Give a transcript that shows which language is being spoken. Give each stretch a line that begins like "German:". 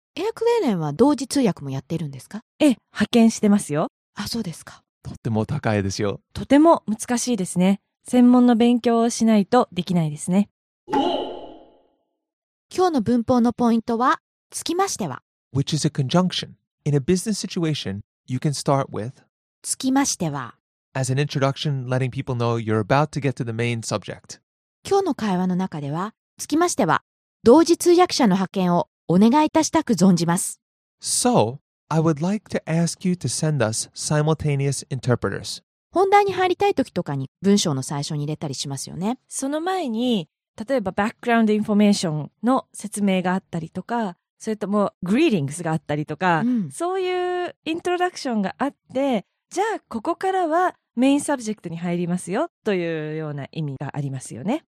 Japanese: エアクレーレンは同時通訳もやってるんですか？え、派遣してますよ。あ、そうですか。とっても高いですよ。とても難しいですね。専門の勉強をしないとできないですね。今日の文法のポイントはつきましては。
English: Which is a conjunction. In a business situation, you can start with
Japanese: つきましては。
English: As an introduction, letting people know you're about to get to the main subject.
Japanese: 今日の会話の中では、つきましては、同時通訳者の派遣をお願いいたしたく存じます。
English: So, I would like to ask you to send us simultaneous interpreters.
Japanese: 本題に入りたい時とかに文章の最初に入れたりしますよね。その前に、例えばバックグラウンドインフォメーションの説明があったりとか、それともグリーディングスがあったりとか、うん、そういうイントロダクションがあって、じゃあここからはメインサブジェクトに入りますよというような意味がありますよね。